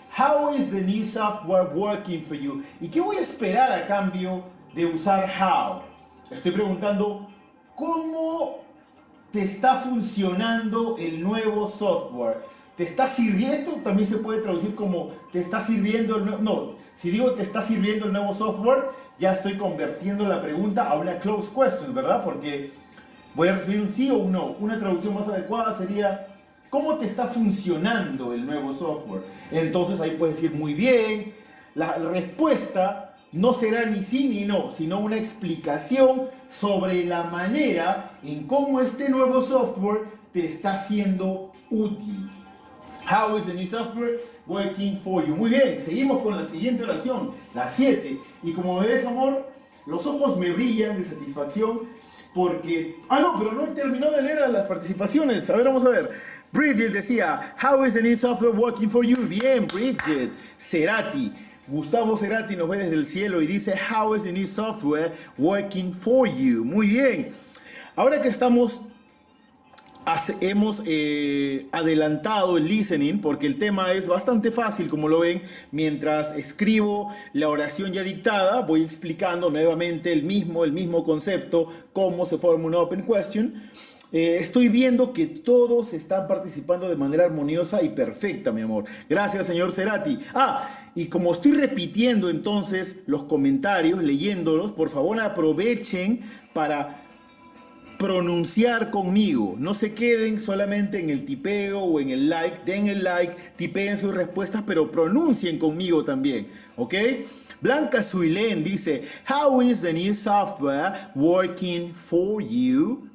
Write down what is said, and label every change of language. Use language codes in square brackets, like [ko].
[en] How is the new software working for you? [es] ¿Y qué voy a esperar a cambio de usar how? Estoy preguntando, ¿cómo te está funcionando el nuevo software? ¿Te está sirviendo? También se puede traducir como, ¿te está sirviendo el nuevo? No, si digo, ¿te está sirviendo el nuevo software? Ya estoy convirtiendo la pregunta a una closed question, ¿verdad? Porque voy a recibir un sí o un no. Una traducción más adecuada sería, ¿cómo te está funcionando el nuevo software? Entonces ahí puedes decir muy bien. La respuesta no será ni sí ni no, sino una explicación sobre la manera en cómo este nuevo software te está siendo útil. [en] How is the new software working for you? [es] Muy bien, seguimos con la siguiente oración, la 7. Y como ves, amor, los ojos me brillan de satisfacción porque. Ah, no, pero no he terminado de leer a las participaciones. A ver, vamos a ver. [en] Bridget [es] decía, [en] How is the new software working for you? [es] Bien, Bridget. Cerati. Gustavo Cerati nos ve desde el cielo y dice, [en] How is the new software working for you? [es] Muy bien. Ahora que hemos adelantado el listening, porque el tema es bastante fácil, como lo ven, mientras escribo la oración ya dictada, voy explicando nuevamente el mismo concepto, cómo se forma una open question. Estoy viendo que todos están participando de manera armoniosa y perfecta, mi amor. Gracias, señor Cerati. Ah, y como estoy repitiendo entonces los comentarios, leyéndolos, por favor aprovechen para pronunciar conmigo. No se queden solamente en el tipeo o en el like. Den el like, tipeen sus respuestas, pero pronuncien conmigo también, ¿ok? [en] Blanca Suilén [es] dice, [en] How is the new software working for you?